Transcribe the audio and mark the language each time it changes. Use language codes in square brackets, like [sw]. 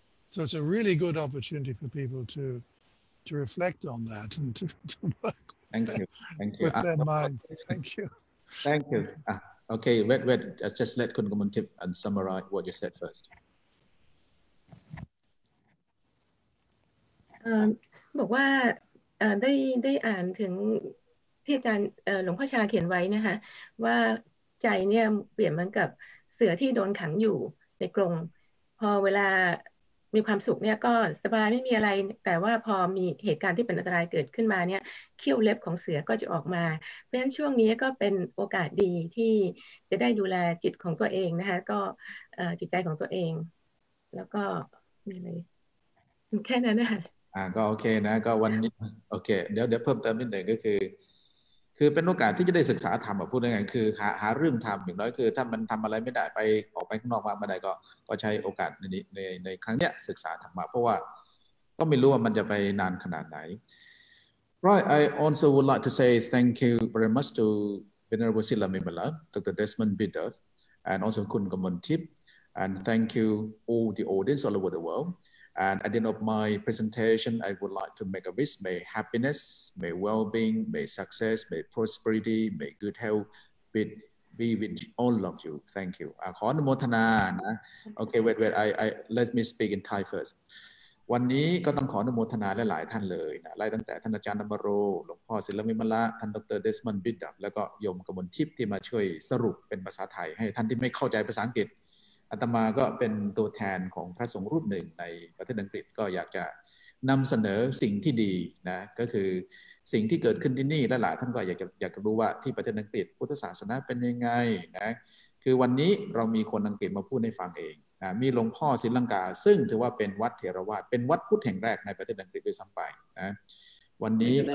[en] So it's a really good opportunity for people to reflect on that and to work with their minds. Thank you. Thank you. Okay, wait. Just let Khun Komuntip and summarize what you said first. [th] บอกว่าได้อ่านถึงที่อาจารย์หลวงพ่อชาเขียนไว้นะคะว่าใจเนี่ยเปรียบเหมือนกับเสือที่โดนขังอยู่ในกรงพอเวลามีความสุขเนี่ยก็สบายไม่มีอะไรแต่ว่าพอมีเหตุการณ์ที่เป็นอันตรายเกิดขึ้นมาเนี่ยเขี้ยวเล็บของเสือก็จะออกมาเพราะฉะนั้นช่วงนี้ก็เป็นโอกาสดีที่จะได้ดูแลจิตของตัวเองนะคะก็จิตใจของตัวเองแล้วก็มีอะไรแค่นั้นนะคะ ก็โอเคนะก็วันนี้โอเคเดี๋ยวเพิ่มเติมนิดหนึ่งก็คือเป็นโอกาสที่จะได้ศึกษาธรรมแบบพูดง่ายๆคือหาเรื่องทำอย่างน้อยคือถ้ามันทำอะไรไม่ได้ไปออกไปข้างนอกมาไม่ได้ก็ใช้โอกาสในครั้งเนี้ยศึกษาธรรมะเพราะว่าก็ไม่รู้ว่ามันจะไปนานขนาดไหน [en] Right I also would like to say thank you very much to Venerable Sila Mimala Dr. Desmond Bidder and also Khun Komon Thip and thank you all the audience all over the world and at the end of my presentation I would like to make a wish may happiness may well-being may success may prosperity may good health be with all of you thank you [th] ขออนุโมทนานะโอเค [en] wait I let me speak in Thai first [th] วันนี้ก็ต้องขออนุโมทนาหลายๆท่านเลยนะไล่ตั้งแต่ท่านอาจารย์นมาโรหลวงพ่อศิลมิมละท่านดร. Desmond Bidder แล้วก็โยมกมลทิพย์ที่มาช่วยสรุปเป็นภาษาไทยให้ท่านที่ไม่เข้าใจภาษาอังกฤษอาตมาก็เป็นตัวแทนของพระสงฆ์รูปหนึ่งในประเทศอังกฤษก็อยากจะนำเสนอสิ่งที่ดีนะก็คือสิ่งที่เกิดขึ้นที่นี่และหลายท่านก็อยากรู้ว่าที่ประเทศอังกฤษพุทธศาสนาเป็นยังไงนะคือวันนี้เรามีคนอังกฤษมาพูดให้ฟังเองนะมีหลวงพ่อศรีลังกาซึ่งถือว่าเป็นวัดเถรวาทเป็นวัดพุทธแห่งแรกในประเทศอังกฤษด้วยซ้ำไปนะวันนี้